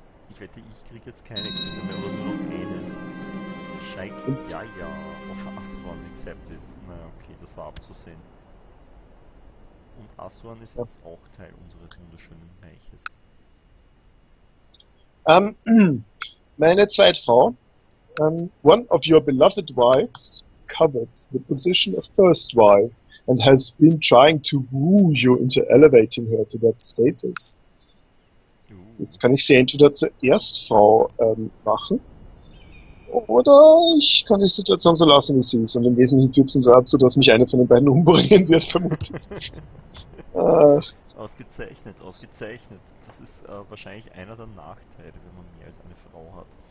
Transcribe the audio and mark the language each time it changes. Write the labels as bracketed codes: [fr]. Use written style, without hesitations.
[de] Ich wette, ich krieg jetzt keine Kinder mehr, oder nur eines. Shaiki, ja, ja, [en] of Aswan accepted. [de] Na okay, das war abzusehen. Und Aswan ist jetzt auch Teil unseres wunderschönen Reiches. Meine zweite Frau, [en] one of your beloved wives covets the position of first wife and has been trying to woo you into elevating her to that status. [de] Jetzt kann ich sie entweder zur Erstfrau machen, oder ich kann die Situation so lassen, wie sie ist. Und im Wesentlichen führt es dazu, dass mich eine von den beiden umbringen wird, vermutlich. Ausgezeichnet, ausgezeichnet. Das ist wahrscheinlich einer der Nachteile, wenn man mehr als eine Frau hat.